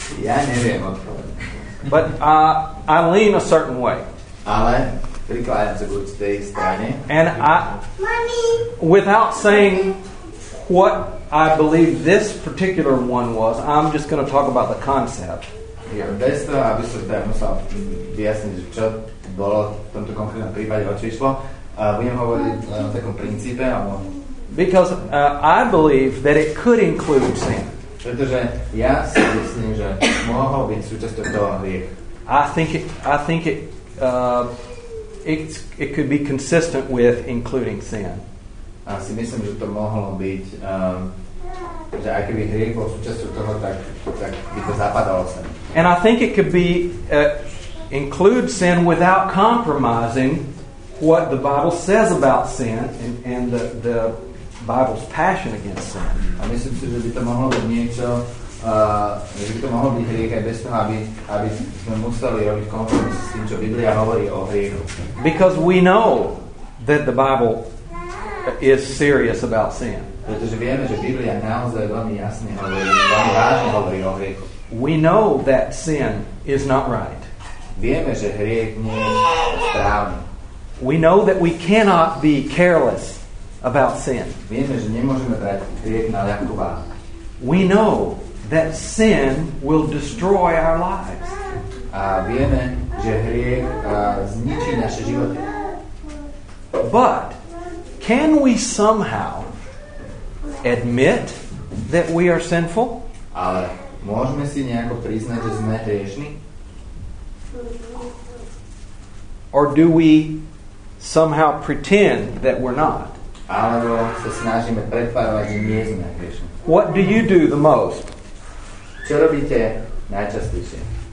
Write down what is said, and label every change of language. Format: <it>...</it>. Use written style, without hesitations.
<sk>Yeah, neviem odpoveď.</sk> <en>But I lean a certain way.</en> <sk>Ale prikladám sa k určitej strane.</sk> <en>And I, Mommy. Without saying what I believe this particular one was, I'm just going to talk about the concept here.</en> <sk>Bez toho, aby som teda musel vyjasniť, čo bolo v tomto konkrétnom prípade očišlo, budem hovoriť len o takom princípe. Alebo...</sk> <en>Because I believe that it could include sin.</en> <sk>Pretože ja si myslím, že mohol byť súčasťou toho hriech.</sk> <en>I think it could be consistent with including sin.</en> <sk>A si myslím, že to mohlo byť, že aj keby hriech bol súčasťou toho, tak by to zapadalo sem.</sk> <en>And I think it could be include sin without compromising what the Bible says about sin and the Bible's passion against sin.</en> <sk>A myslím si, že by to mohlo byť niečo, že by to mohlo byť hriech aj bez toho, aby sme museli robiť kompromis s tým, čo Biblia hovorí o hriechu.</sk> <en>Because we know that the Bible is serious about sin.</en> <sk>Pretože vieme, že Biblia naozaj veľmi jasne hovorí, veľmi vážne hovorí o hriechu.</sk> <en>We know that sin is not right.</en> <sk>Vieme, že hriech nie je správny.</sk> <en>We know that we cannot be careless about sin.</en> <sk>Vieme, že nemôžeme brať hriech na ľahkú váhu.</sk> <en>We know that sin will destroy our lives.</en> <sk>A vieme, že hriech zničí naše životy.</sk> <en>But can we somehow admit that we are sinful?</en> <sk>Ale môžeme si nejako priznať, že sme hriešni?</sk> <en>Or do we somehow pretend that we're not?</en> <sk>Alebo sa snažíme pretvárovať, že nie sme hriešni.</sk> <en>What do you do the most?</en> <sk>Čo robíte najčastejšie?</sk>